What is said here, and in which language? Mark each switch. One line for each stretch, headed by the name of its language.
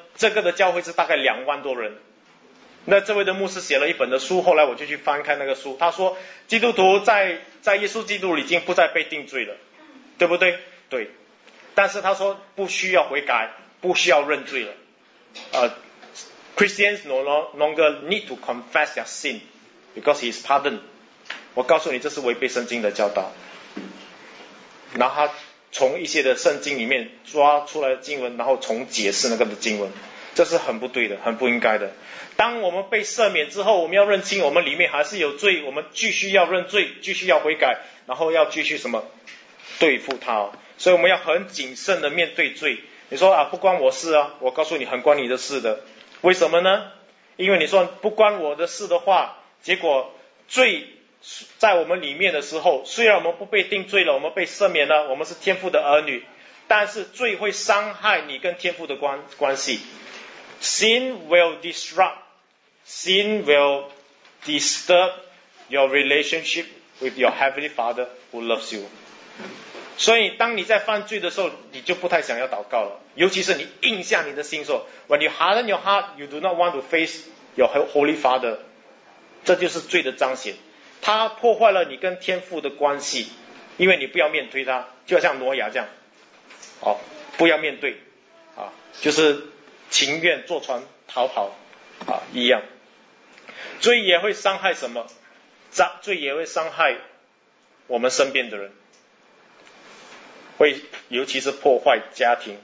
Chinese: 这个的教会是大概20000多人。那这位的牧师写了一本的书，后来我就去翻开那个书，他说基督徒在耶稣基督里已经不再被定罪了，对不对？对。但是他说不需要悔改，不需要认罪了。
English: Christians no longer need to confess their sin because he is pardoned。
Chinese: 我告诉你，这是违背圣经的教导。然后他从一些的圣经里面抓出来的经文，然后重解释那个的经文，这是很不对的，很不应该的。当我们被赦免之后，我们要认清我们里面还是有罪，我们继续要认罪，继续要悔改，然后要继续什么对付他哦。所以我们要很谨慎的面对罪。你说啊，不关我事啊，我告诉你，很关你的事的。为什么呢？因为你说不关我的事的话，结果罪在我们里面的时候，虽然我们不被定罪了，我们被赦免了，我们是天父的儿女，但是罪会伤害你跟天父的关系。
English: Sin will disrupt, sin will disturb your relationship with your heavenly father who loves you.
Chinese: 所以当你在犯罪的时候，你就不太想要祷告了。尤其是你硬下你的心说
English: ,when you harden your heart, you do not want to face your holy father.
Chinese: 这就是罪的彰显。它破坏了你跟天父的关系，因为你不要面对他，就好像挪亚这样。哦，不要面对。啊，就是情愿坐船逃跑啊一样。罪也会伤害什么？罪也会伤害我们身边的人，会尤其是破坏家庭。